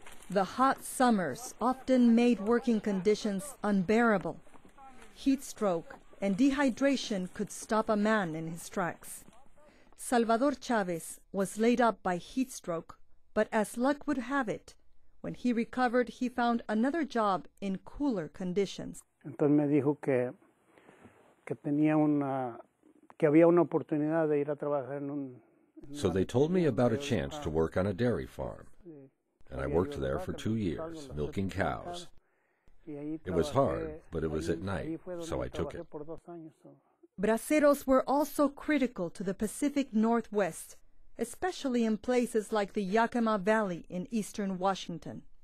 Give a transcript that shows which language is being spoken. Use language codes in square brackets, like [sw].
[en] The hot summers often made working conditions unbearable. Heat stroke and dehydration could stop a man in his tracks. Salvador Chavez was laid up by heat stroke, but as luck would have it, when he recovered, he found another job in cooler conditions. [es] Entonces me dijo que tenía una que había una oportunidad de ir a trabajar en un. [en] So they told me about a chance to work on a dairy farm, and I worked there for 2 years, milking cows. It was hard, but it was at night, so I took it. Braceros were also critical to the Pacific Northwest, especially in places like the Yakima Valley in eastern Washington.